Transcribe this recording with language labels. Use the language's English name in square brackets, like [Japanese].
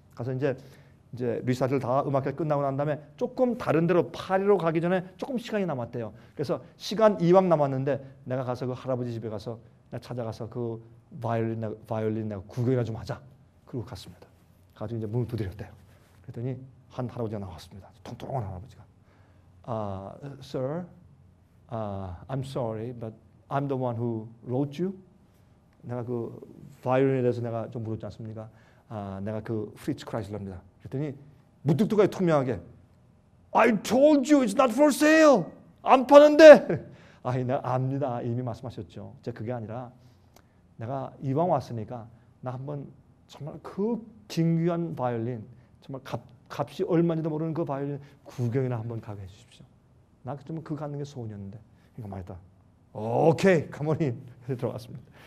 [Korean] 가서 이제 리사이트를 다 음악회 끝나고 난 다음에 조금 다른 데로 파리로 가기 전에 조금 시간이 남았대요. 그래서 시간 이왕 남았는데 내가 가서 그 할아버지 집에 가서 내가 찾아가서 그 바이올린 내가 구경이나 좀 하자. 그리고 갔습니다. 가지고 이제 문을 두드렸대요. 그랬더니 한 할아버지가 나왔습니다. 통통한 할아버지가. [English] Sir, I'm sorry, but I'm the one who wrote you. [Korean] 내가 그 바이올린에 대해서 내가 좀 물었지 않습니까? 내가 그 프리츠 크라이슬러입니다. 그랬더니 무뚝뚝하게 투명하게 [English] I told you it's not for sale. [Korean] 안 파는데. 아, 내가 압니다. 이미 말씀하셨죠. 제가 그게 아니라 내가 이왕 왔으니까 나 한번 정말 그 긴귀한 바이올린, 정말 값이 얼마인지도 모르는 그 바이올린 구경이나 한번 가게 해주십시오. 나 좀 그 가는 게 소원이었는데. 이거 말이다. 오케이, 가만히 들어갔습니다.